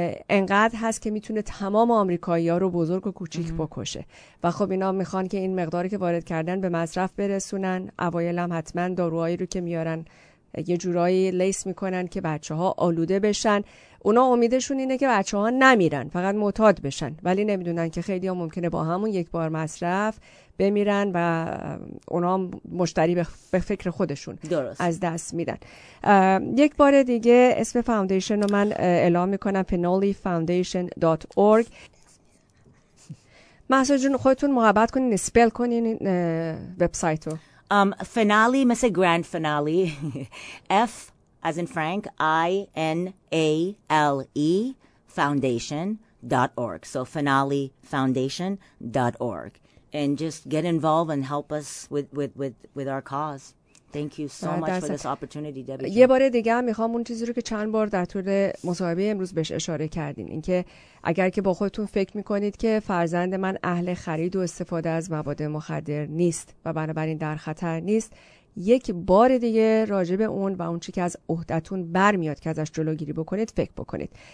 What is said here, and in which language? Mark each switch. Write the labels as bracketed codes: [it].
[fa] انقدر هست که میتونه تمام آمریکایی‌ها رو بزرگ و کوچیک بکشه و خب اینا میخوان که این مقداری که وارد کردن به مصرف برسونن اوایل هم حتما داروهایی رو که میارن یه جورایی لیس میکنن که بچه‌ها آلوده بشن اونا امیدشون اینه که بچه‌ها نمیرن فقط معتاد بشن ولی نمیدونن که خیلی‌ها ممکنه با همون یک بار مصرف بمیرن و اونا مشتری به فکر خودشون درست. از دست میدن یک بار دیگه اسم فاوندیشن رو من اعلام میکنم finalefoundation.org محسا جون خودتون محبت کنین اسپل کنین وبسایت رو [en] finale مثل grand finale F as in Frank I-N-A-L-E foundation.org so finalefoundation.org and just get involved and help us with our cause. Thank you so much for this opportunity, Debbie. [fa] یه بار دیگه میخوام اون چیزی رو که چند بار در طول مصاحبه امروز بهش اشاره کردین اینکه اگر که با خودتون فکر میکنید که فرزند من اهل خرید و استفاده از مواد مخدر نیست و بنابراین در خطر نیست یک بار دیگه راجع به اون و اون چیزی که از عهدتون برمیاد که ازش جلوگیری بکنید فکر بکنید